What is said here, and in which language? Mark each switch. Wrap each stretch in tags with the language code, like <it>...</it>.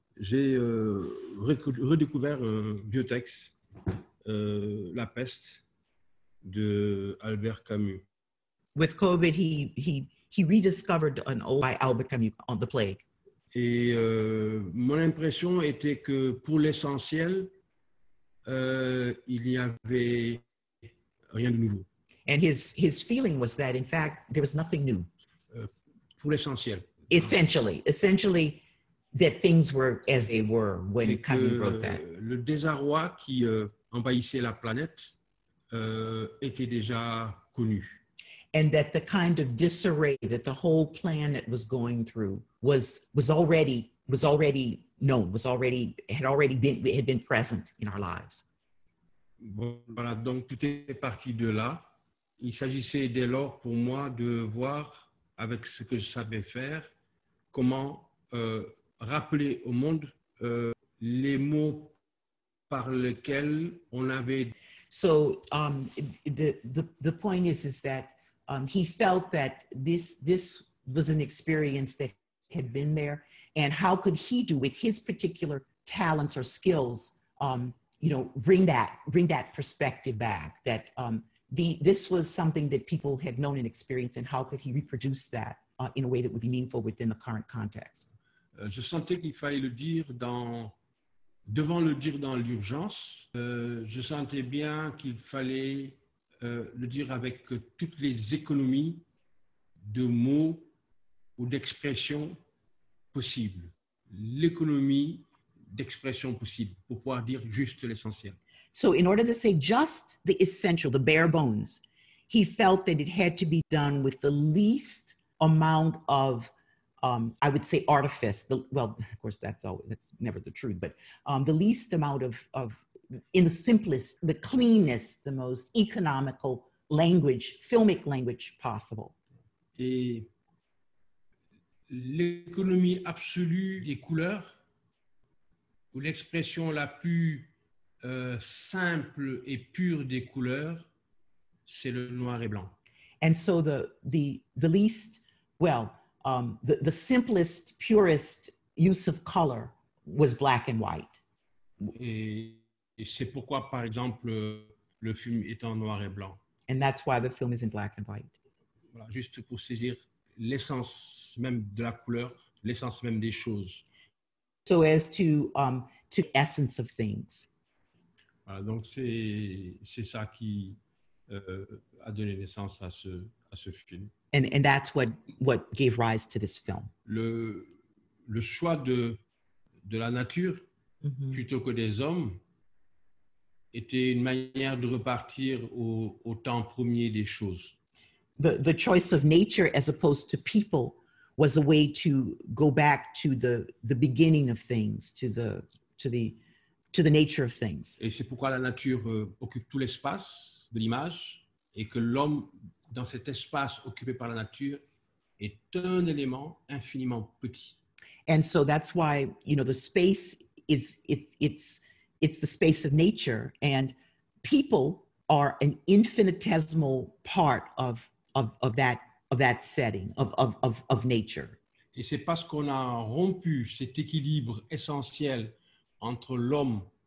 <fr>j'ai redécouvert Biotex, La Peste de Albert Camus.</fr> <en>With COVID, he rediscovered an old by Albert Camus on the plague.</en> <fr>Et mon impression était que pour l'essentiel, il n'y avait rien de nouveau.</fr> <en>And his feeling was that in fact there was nothing new.</en> <fr>Pour l'essentiel.</fr> <en>Essentially, that things were as they were when et Camus wrote that.</en> <fr>Le désarroi qui envahissait la planète était déjà connu.</fr> <en>And that the kind of disarray that the whole planet was going through was already known, had been present in our lives.</en> <fr>Voilà, donc tout est parti de là. Il s'agissait dès lors pour moi de voir avec ce que je savais faire comment rappeler au monde les mots par lesquels on avait.</fr> <en>So the point is that. He felt that this was an experience that had been there, and how could he do with his particular talents or skills, bring that perspective back? That this was something that people had known and experienced, and how could he reproduce that in a way that would be meaningful within the current context?</en> <fr>Je sentais qu'il fallait le dire devant le dire dans l'urgence. Je sentais bien qu'il fallait. Le dire avec toutes les économies de mots ou d'expressions possibles. L'économie d'expression possible pour pouvoir dire juste l'essentiel.</fr> <en>So in order to say just the essential, the bare bones, he felt that it had to be done with the least amount of, I would say, artifice. Of course, that's never the truth, but the least amount of in the simplest, the cleanest, the most economical language, filmic language possible.</en> <fr>Et l'économie absolue des couleurs, ou l'expression la plus simple et pure des couleurs, c'est le noir et blanc.</fr> <en>And so the least, well, the simplest, purest use of color was black and white.</en> <fr>Et c'est pourquoi, par exemple, le film est en noir et blanc.</fr> <en>And that's why the film is in black and white.</en> <fr>Voilà, juste pour saisir l'essence même de la couleur, l'essence même des choses.</fr> <en>So as to essence of things.</en> <fr>Voilà, donc c'est ça qui a donné naissance à ce film.</fr> <en>And that's what gave rise to this film.</en> <fr>Le choix de la nature mm-hmm. plutôt que des hommes était une manière de repartir au temps premier des choses.</fr> <en>The choice of nature as opposed to people was a way to go back to the beginning of things, to the nature of things.</en> <fr>Et c'est pourquoi la nature occupe tout l'espace de l'image et que l'homme dans cet espace occupé par la nature est un élément infiniment petit.</fr> <en>And so that's why, you know, the space is it's the space of nature, and people are an infinitesimal part of that setting of nature.</en> <fr>Et c'est parce qu'on a rompu cet équilibre essentiel entre l'homme</fr>